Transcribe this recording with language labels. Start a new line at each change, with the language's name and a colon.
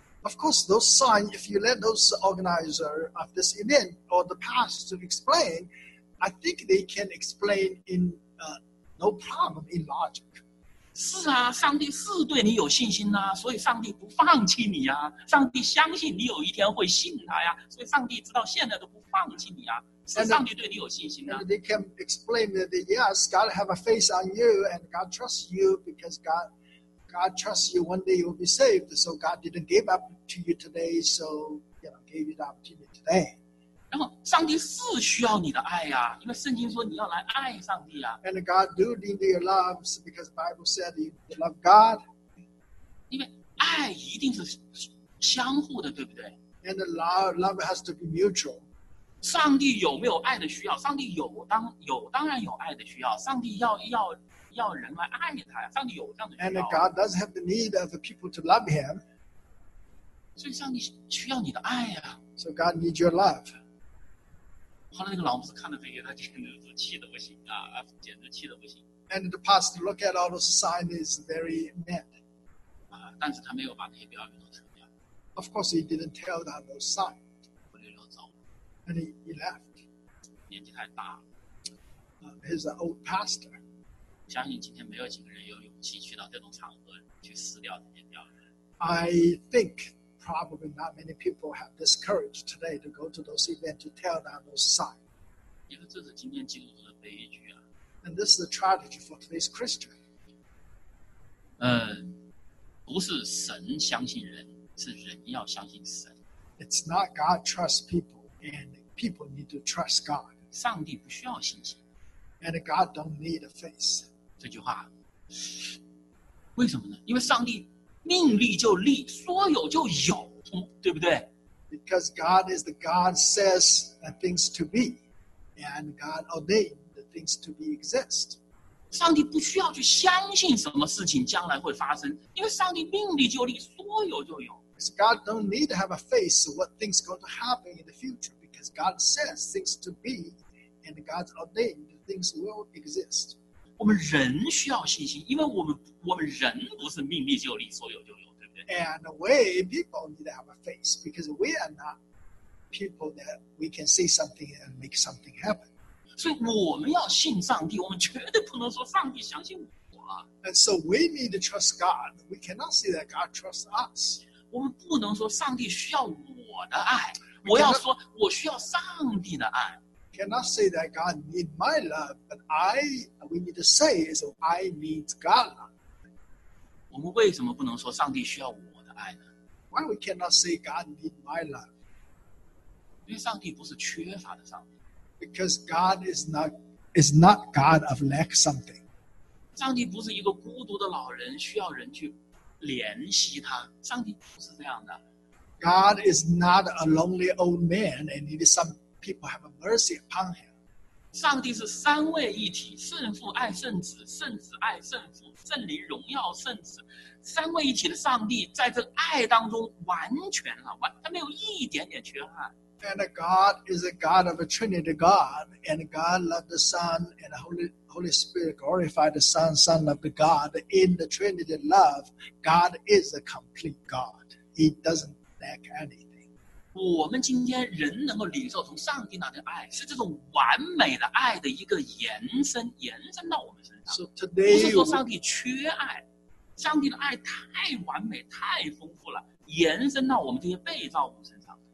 English: Of course, those signs, if you let those organizers of this event or the pastor explain, I think they can explain in no problem in logic.
Chinese: 是啊，上帝是对你有信心啊，所以上帝不放弃你啊，上帝相信你有一天会信他呀，所以上帝直到现在都不放弃你啊，是上帝对你有信心啊。
English: And they can explain that, yes, God have a face on you and God trusts you because God trusts you one day you'll be saved, so God didn't give up to you today, so you know, gave you the opportunity today.
Chinese: 然后上帝是需要你的爱呀、因为圣经说你要来爱上帝啊。
English: And God do need your love because the Bible said you need to love God.
Chinese: 因为爱一定是相互的，对不对？
English: And love has to be mutual.
Chinese: 上帝有没有爱的需要？上帝有当然有爱的需要。上帝要人来爱他，上帝有这样的需要。
English: And God does have the need of the people to love him.
Chinese: 所以上帝需要你的爱啊。
English: So God needs your love.
Chinese: 后来那个老牧师看到这个，他简直是气得不行啊，简直气得不行。
English: And the pastor look at all those signs is very mad.
Chinese: 但是他没有把那些标语都撤掉。
English: Of course, he didn't tell that no sign.
Chinese: 不溜溜走。
English: And he left.
Chinese: 年纪太大
English: 了。He's an old pastor.
Chinese: 相信今天没有几个人有勇气去到这种场合去撕掉这些吊人。
English: I think probably not many people have this courage today to go to those events to tell that no sign.
Chinese: 因为这是今天基督徒的悲剧啊。
English: And this is a tragedy for today's Christian.
Chinese: 不是神相信人，是人要相信神。
English: It's not God trusts people, and people need to trust God.
Chinese: 上帝不需要信心。
English: And God don't need a face.
Chinese: 这句话，为什么呢？因为上帝命立就立，说有就有，对不对？
English: Because God is the God says the things to be, and God ordains. Things to be exist.
Chinese: 上帝不需要去相信什么事情将来会发生，因为上帝命里就立，说有就有。
English: Because God don't need to have a face of what things going to happen in the future, because God says things to be, and God's ordained things will exist.
Chinese: 我们人需要信心，因为我们人不是命里就立，说有就有，对不对
English: ？And way people need to have a face because we are not people that we can see something and make something happen.
Chinese: 所以我们要信上帝，我们绝对不能说上帝相信我。
English: And so we need to trust God. We cannot say that God trusts us.
Chinese: 我们不能说上帝需要我的爱，我要说我需要上帝的爱。
English: Cannot say that God need my love, but we need to say is I need God's love.
Chinese: 我们为什么不能说上帝需要我的爱呢？
English: Why we cannot say God need my love?
Chinese: 因为上帝不是缺乏的上帝。
English: Because God is not God of lack something.
Chinese: 上帝不是一个孤独的老人需要人去怜惜他。上帝不是这样的。
English: God is not a lonely old man and need some people have mercy upon him.
Chinese: 上帝是三位一体，圣父爱圣子，圣子爱圣父，圣灵荣耀圣子。三位一体的上帝在这爱当中完全了，他没有一点点缺憾。
English: And God is a God of a Trinity God, and God loved the Son, and the Holy Spirit glorified the Son, Son of the God. In the Trinity love, God is a complete God. He doesn't lack anything.
Chinese: 我们今天人能够领受从上帝那的爱，是这种完美的爱的一个延伸到我们身上。
English: So today,
Chinese: 不是说上帝缺爱，上帝的爱太完美、太丰富了，延伸到我们这些被造物身上。